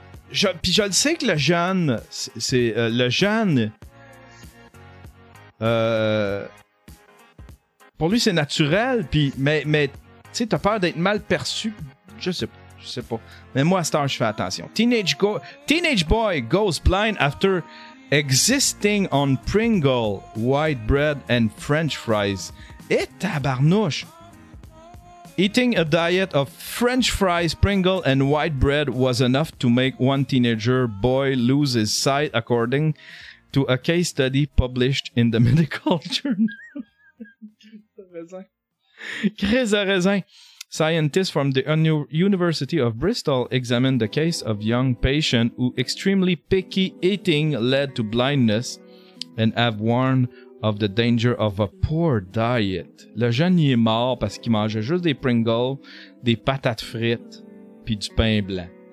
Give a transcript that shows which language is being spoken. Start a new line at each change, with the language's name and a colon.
French: Oh, puis je le sais que le jeune... C'est le jeune... Pour lui, c'est naturel, puis mais tu sais, t'as peur d'être mal perçu. Je sais pas. Mais moi, à cette heure, je fais attention.
English: Teenage boy goes blind after existing on Pringle, white bread and French fries.
French: Et tabarnouche!
English: Eating a diet of French fries, Pringle and white bread was enough to make one teenager boy lose his sight, according to a case study published in the medical journal. Chris Raisin. Scientists from the University of Bristol examined the case of young patient who extremely picky eating led to blindness and have warned of the danger of a poor diet.
French: Le jeune, il est mort parce qu'il mangeait juste des Pringles, des patates frites, puis du pain blanc.